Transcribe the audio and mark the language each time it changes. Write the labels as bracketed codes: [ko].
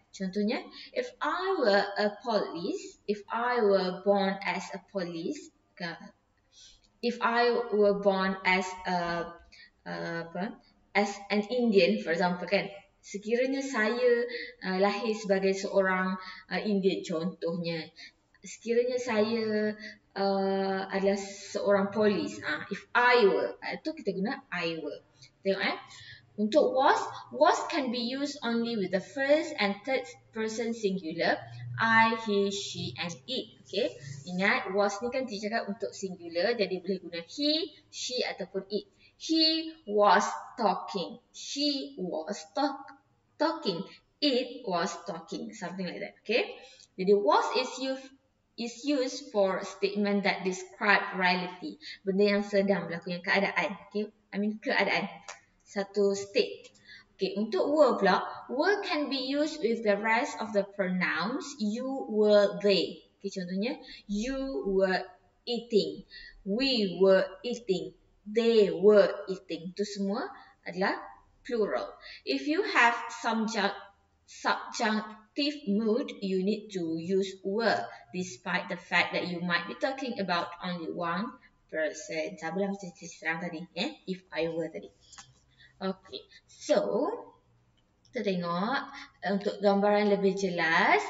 [en] Contohnya, if I were a police, if I were born as a police, if I were born as as an Indian, for example, kan? [ms] Sekiranya saya lahir sebagai seorang Indian, contohnya, sekiranya saya adalah seorang polis, if I were, itu kita guna I were. Tengok kan? [en] Untuk was can be used only with the first and third person singular, I, he, she and it. [ms] Okay, ingat was ni kan dicakap untuk singular, jadi boleh guna he, she ataupun it. [en] He was talking. She was talking. It was talking. Something like that. Okay, jadi was is used for statement that describe reality. [ms] Benda yang sedang berlaku, yang keadaan. Okay, [en] I mean [ms] keadaan. Satu state. Okay, untuk were pula, [en] were can be used with the rest of the pronouns you, were, they. Okay, [ms] contohnya, [en] you were eating, we were eating, they were eating. [ms] Itu semua adalah plural. [en] If you have some subjunctive mood, you need to use were despite the fact that you might be talking about only one person. [ms] Sabarlah macam cerita serang tadi, eh? [en] If I were [ms] tadi. Okay, so kita tengok untuk gambaran lebih jelas.